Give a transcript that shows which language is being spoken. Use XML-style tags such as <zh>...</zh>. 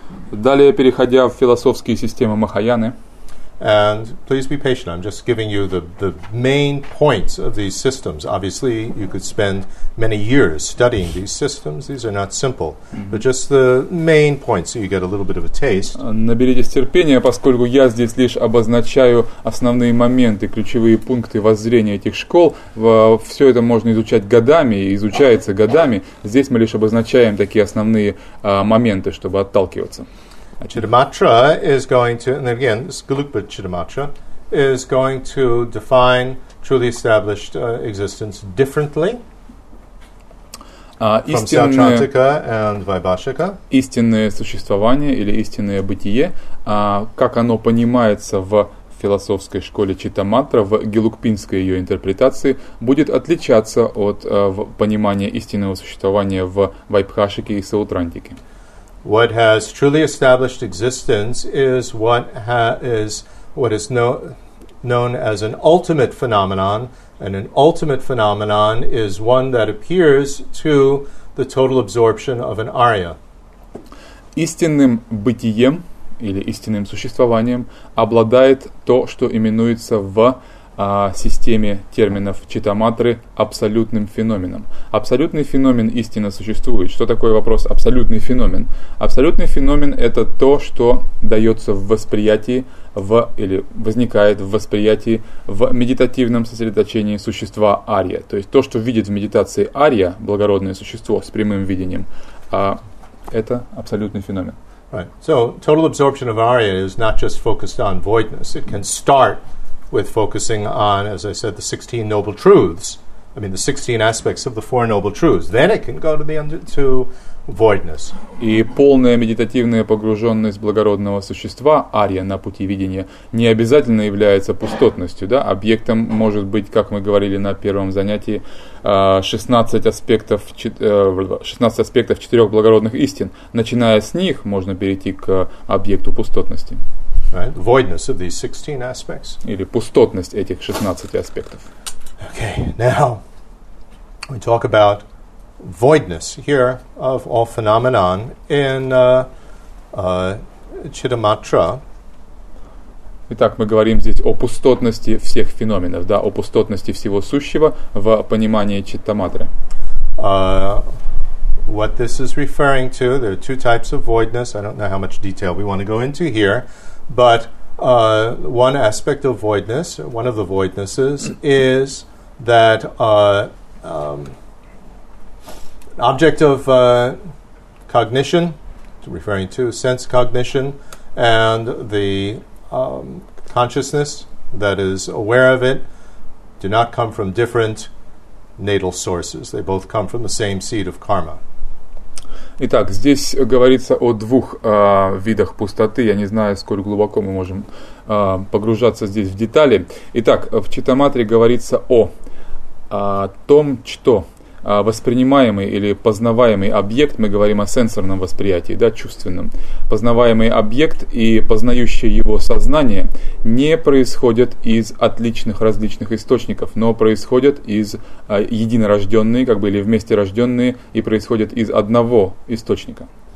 <ru>Далее, переходя в философские системы Махаяны.</ru> <en>And please be patient, I'm just giving you the main points of these systems. Obviously, you could spend many years studying these systems, these are not simple. Mm-hmm. But just the main points, so you get a little bit of a taste.</en> <ru>Наберитесь терпения, поскольку я здесь лишь обозначаю основные моменты, ключевые пункты воззрения этих школ. Все это можно изучать годами, и изучается годами. Здесь мы лишь обозначаем такие основные моменты, чтобы отталкиваться.</ru> <en>Chittamatra is going to, and again, this Galupa Chittamatra is going to define truly established existence differently from</en> <ru>Саутрантика and Вайбашика. Истинное существование или истинное бытие, как оно понимается в философской школе Читаматра, в гелукпинской ее интерпретации, будет отличаться от понимания истинного существования в Вайбхашике и Саутрантике.</ru> <en>What has truly established existence is what is known as an ultimate phenomenon, and an ultimate phenomenon is one that appears to the total absorption of an arya.</en> <ru>Истинным бытием или истинным существованием обладает то, что именуется в системе терминов Читаматры абсолютным феноменом. Абсолютный феномен истинно существует. Что такое вопрос абсолютный феномен? Абсолютный феномен – это то, что дается в восприятии или возникает в восприятии в медитативном сосредоточении существа Арья. То есть то, что видит в медитации Арья, благородное существо с прямым видением, это абсолютный феномен.</ru> <en>Right. So, total absorption of Arya is not just focused on voidness. It can start with focusing on, as I said, the 16 noble truths. I mean, the 16 aspects of the four noble truths. Then it can go to the to voidness.</en> <ru>И полная медитативная погруженность благородного существа, Арья, на пути видения, не обязательно является пустотностью, да? Объектом может быть, как мы говорили на первом занятии, 16 аспектов четырех благородных истин. Начиная с них, можно перейти к объекту пустотности.</ru> <en>Right, the voidness of these 16 aspects.</en> <ru>Или пустотность этих 16 аспектов.</ru> <en>Okay, now we talk about voidness here of all phenomenon in Chittamatra.</en> <ru>Итак, мы говорим здесь о пустотности всех феноменов, да, о пустотности всего сущего в понимании Читаматры.</ru> <en>What this is referring to, there are two types of voidness. I don't know how much detail we want to go into here. But one aspect of voidness, one of the voidnesses, is that object of cognition, referring to sense cognition, and the consciousness that is aware of it, do not come from different natal sources. They both come from the same seed of karma.</en> <ru>Итак, здесь говорится о двух видах пустоты. Я не знаю, сколько глубоко мы можем погружаться здесь в детали. Итак, в Читаматре говорится о том, что воспринимаемый или познаваемый объект, мы говорим о сенсорном восприятии, да, чувственном, познаваемый объект и познающее его сознание не происходят из отличных различных источников, но происходят из единорожденные, как бы, или вместе рожденные, и происходят из одного источника.</ru>